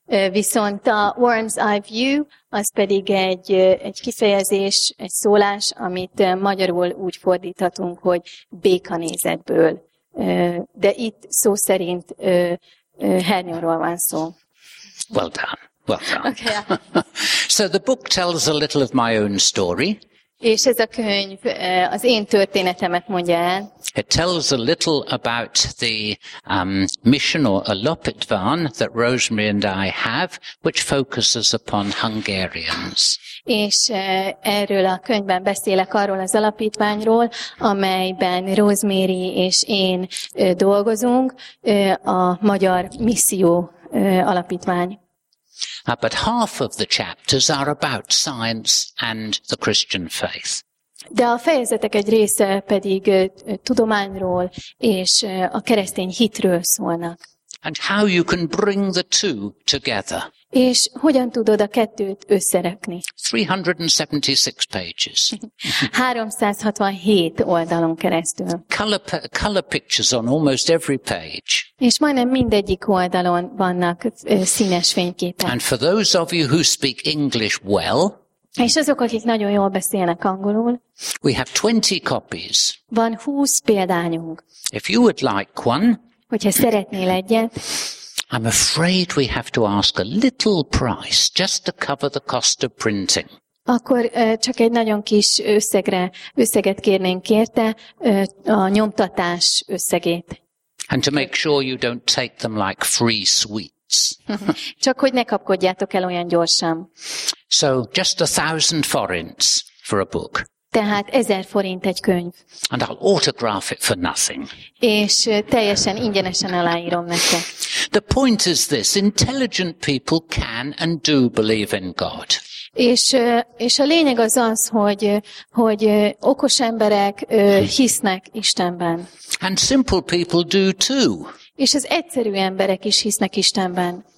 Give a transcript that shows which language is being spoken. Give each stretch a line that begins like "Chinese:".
Hungarian: Viszont
English: a worm's eye view,
Hungarian: az pedig egy kifejezés, egy szólás, amit magyarul úgy fordíthatunk, hogy békanézetből. De itt szó szerint hernyóról van szó.
English: Well done. Well done. Okay. So the book tells a little of my own story.
Hungarian: És ez a könyv az én történetemet mondja el.
English: It tells a little about the mission or a lopitvan that Rosemary and I have, which focuses upon Hungarians.
Hungarian: És erről a könyvben beszélek, arról az alapítványról, amelyben Rosemary és én dolgozunk, a magyar misszió alapítvány.
English: But half of the chapters are about science and the Christian faith.
Hungarian: De a fejezetek egy része pedig tudományról és a keresztény hitről szólnak.
English: And how you can bring the two together.
Hungarian: És hogyan tudod a kettőt összerakni?
English: 376 pages.
Hungarian: 367 oldalon keresztül.
English: Color pictures on almost every page.
Hungarian: És majdnem mindegyik oldalon vannak színes fényképek.
English: And for those of you who speak English well,
Hungarian: és azok, akik nagyon jól beszélnek angolul,
English: we have 20 copies.
Hungarian: Van 20 példányunk.
English: If you would like one,
Hungarian: hogyha szeretnél egyet,
English: I'm afraid we have to ask a little price just to cover the cost of printing.
Hungarian: Akkor csak egy nagyon kis összeget kérnénk érte, a nyomtatás összegét.
English: And to make sure you don't take them like free sweets.
Hungarian: Csak hogy ne kapkodjátok el olyan gyorsan.
English: So just 1,000 forints for a book.
Hungarian: Tehát 1000 forint egy könyv.
English: And I'll autograph it for nothing.
Hungarian: És teljesen ingyenesen aláírom nektek.
English: The point is this: intelligent people can and do believe in God.
Hungarian: És a lényeg az az, hogy okos emberek hisznek Istenben.
English: And simple people do too.
Hungarian: És az egyszerű emberek is hisznek Istenben.